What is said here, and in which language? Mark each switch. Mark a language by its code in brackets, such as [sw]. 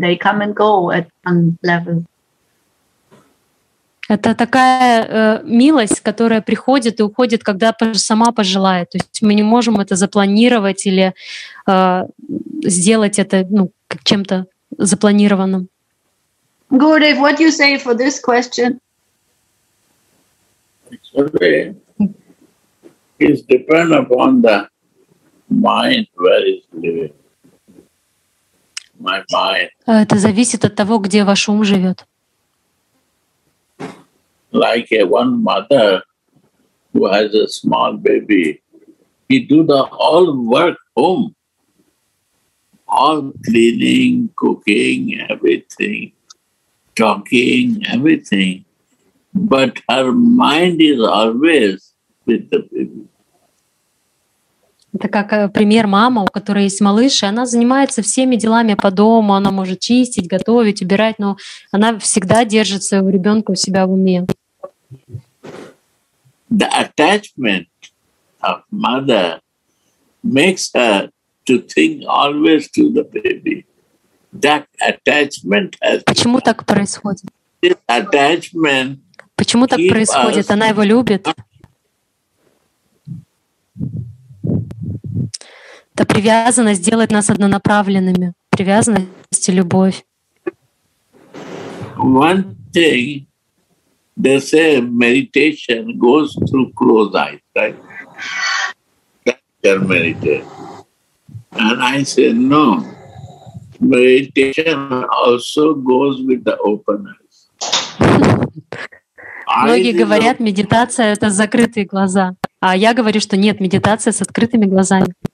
[en] They come and go at one level. [ru] Это такая милость, которая приходит и уходит, когда сама пожелает. То есть мы не можем это запланировать или сделать это, ну, чем-то запланированным. [en] Gurudev, what do you say for this question? Okay. It's depend upon the mind where is living. My mind. [ru] Это зависит от того, где ваш ум живет. [en] Like a one mother who has a small baby, he do the all work home, all cleaning, cooking, everything, talking, everything, but her mind is always with the baby. [ru] Это как пример мама, у которой есть малыш, и она занимается всеми делами по дому, она может чистить, готовить, убирать, но она всегда держит своего ребенка у себя в уме. [en] The attachment of mother makes her to think always to the baby. That attachment has. [ru] Почему так происходит? [en] This attachment. [ru] Почему так происходит? Она его любит. Это привязанность делает нас однонаправленными. Привязанность и любовь. [en] One thing, they say meditation goes through closed eyes, right? That can meditate. And I say, no, meditation also goes with the open eyes. [ru] Многие говорят, медитация — это закрытые глаза. А я говорю, что нет, медитация с открытыми глазами.